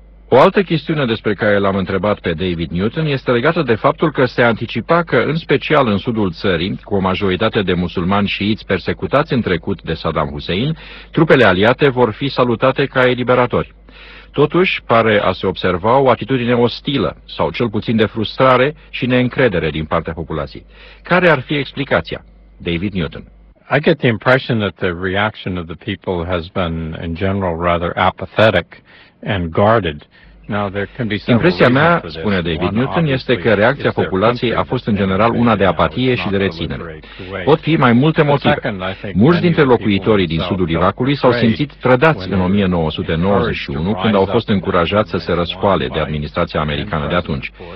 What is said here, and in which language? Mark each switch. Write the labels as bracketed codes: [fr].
[ro] O altă chestiune despre care l-am întrebat pe David Newton este legată de faptul că se anticipa că, în special în sudul țării, cu o majoritate de musulmani șiiți persecutați în trecut de Saddam Hussein, trupele aliate vor fi salutate ca eliberatori. Totuși, pare a se observa o atitudine ostilă, sau cel puțin de frustrare și neîncredere din partea populației. Care ar fi explicația? David Newton. [en] I get the impression that the reaction of the people has been, in general, rather apathetic and guarded. [ro] Impresia mea, spune David Newton, este că reacția populației a fost în general una de apatie și de reținere. Pot fi mai multe motive. Mulți dintre locuitorii din sudul Irakului s-au simțit trădați în 1991, când au fost încurajați să se răscoale de administrația americană de atunci.